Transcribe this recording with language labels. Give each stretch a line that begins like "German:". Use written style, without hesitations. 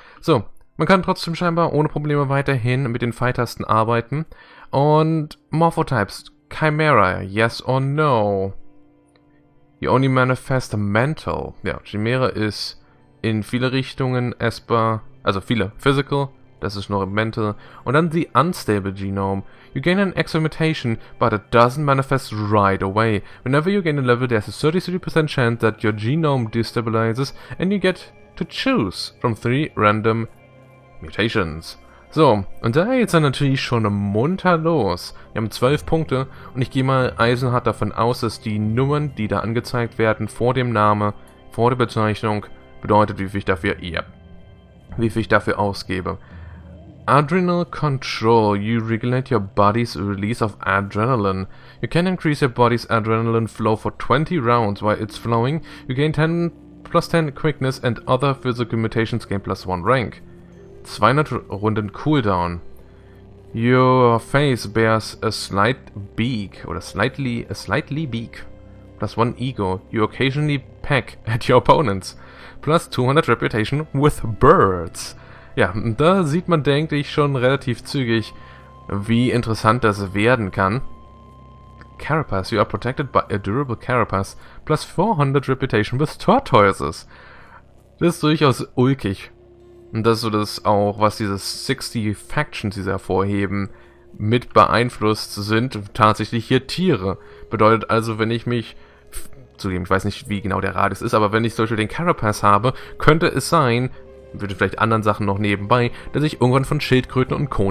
German: So, man kann trotzdem scheinbar ohne Probleme weiterhin mit den Pfeiltasten arbeiten.
English: Und Morphotypes, Chimera, yes or no? You only manifest mental.
German: Ja, Chimera ist in viele Richtungen Esper, also viele physical, das ist nur mental.
English: Und dann the unstable genome. You gain an extra mutation, but it doesn't manifest right away. Whenever you gain a level, there's a 33% chance that your genome destabilizes and you get to choose from 3 random mutations.
German: So, und da geht's dann natürlich schon munter los. Wir haben 12 Punkte und ich gehe mal eisenhart davon aus, dass die Nummern, die da angezeigt werden, vor dem Name, vor der Bezeichnung, bedeutet, wie viel ich dafür ausgebe.
English: Adrenal Control. You regulate your body's release of adrenaline. You can increase your body's adrenaline flow for 20 rounds. While it's flowing, you gain 10 plus 10 Quickness and other physical mutations gain plus 1 Rank. 200 Runden Cooldown. Your face bears a slight beak. Oder slightly beak. Plus 1 Ego. You occasionally peck at your opponents. Plus 200 Reputation with birds.
German: Ja, da sieht man, denke ich, schon relativ zügig, wie interessant das werden kann.
English: Carapace, you are protected by a durable carapace plus 400 reputation with tortoises.
German: Das ist durchaus ulkig. Und das ist so das auch, was diese 60 Factions, die sie hervorheben, mit beeinflusst sind, tatsächlich hier Tiere. Bedeutet also, wenn ich mich, zugeben, ich weiß nicht, wie genau der Radius ist, aber wenn ich zum Beispiel den Carapace habe, könnte es sein, würde vielleicht anderen Sachen noch nebenbei, dass ich irgendwann von Schildkröten und Co.